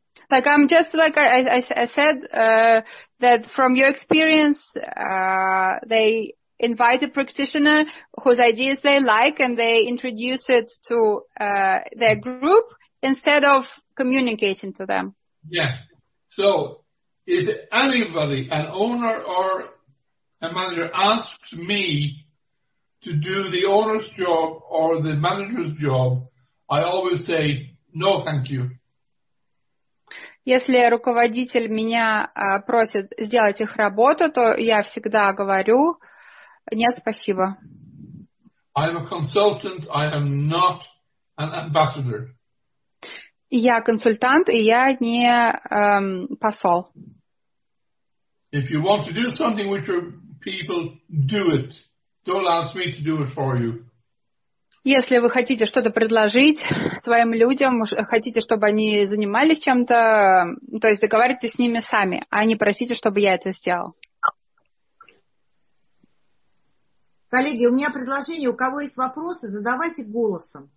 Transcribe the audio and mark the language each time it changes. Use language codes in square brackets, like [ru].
[en] Like, I'm just, like I said, that from your experience, they invite a practitioner whose ideas they like and they introduce it to their group instead of communicating to them. Yeah. So, if anybody, an owner or a manager, asks me to do the owner's job or the manager's job, I always say, no, thank you. [ru] Если руководитель меня просит сделать их работу, то я всегда говорю, нет, спасибо. [en] I'm a consultant, I am not an ambassador. [ru] Я консультант, и я не посол. [en] If you want to do something with your people, do it. Don't ask me to do it for you. [ru] Если вы хотите что-то предложить своим людям, хотите, чтобы они занимались чем-то, то есть договаривайтесь с ними сами, а не просите, чтобы я это сделал. Коллеги, у меня предложение, у кого есть вопросы, задавайте голосом.